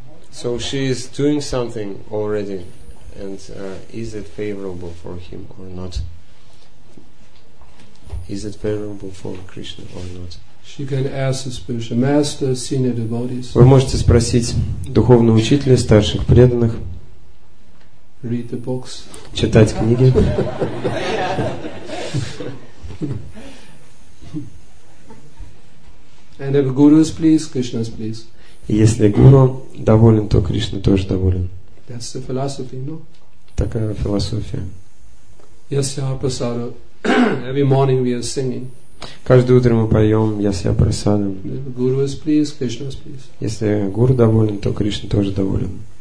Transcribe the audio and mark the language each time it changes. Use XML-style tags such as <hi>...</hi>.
<en>So she is doing something already, and is it favorable for him or not? Is it favorable for Krishna or not? She can ask the spiritual master, senior devotees.</en> <ru>Вы можете спросить духовного учителя, старших преданных.</ru> <en>Read the books.</en> <ru>Читать книги.</ru> <en>And if Guru is pleased, Krishna is pleased.</en> <ru>Если Гуру доволен, то Кришна тоже доволен.</ru> <en>That's the philosophy, no?</en> <ru>Такая философия.</ru> <en>Ясья-прасада. Every morning we are singing.</en> <ru>Каждое утро мы поем Ясья-прасада.</ru> <en>If Guru is pleased, Krishna is pleased.</en> <ru>Если Гуру доволен, то Кришна тоже доволен.</ru>